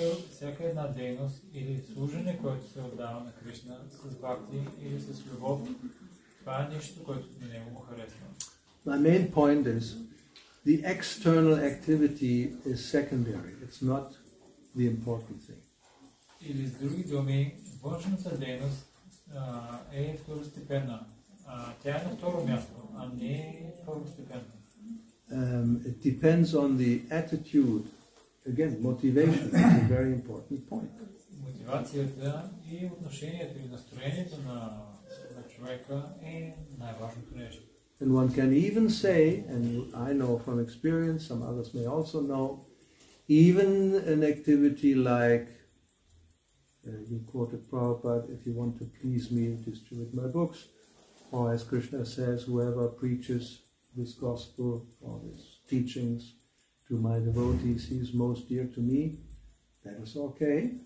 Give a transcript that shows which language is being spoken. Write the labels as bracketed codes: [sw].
[bg] Всяка една дейност или служене, което се отдава на Кришна с бхакти или с любов, това е нещо, което на него му харесва. [en] My main point is, the external activity is secondary. It's not the important thing. [bg] Или с други думи, външната дейност е второстепенна. Тя е на второ място, а не първостепенно. [en] It depends on the attitude, again, motivation is a very important point. [bg] мотивацията и отношението и настроението на, на човека е най-важното нещо. [en] And one can even say, and I know from experience, some others may also know, even an activity like, you quoted Prabhupada, if you want to please me, distribute my books, or as Krishna says, whoever preaches this gospel or his teachings to my devotees, he is most dear to me, that is okay.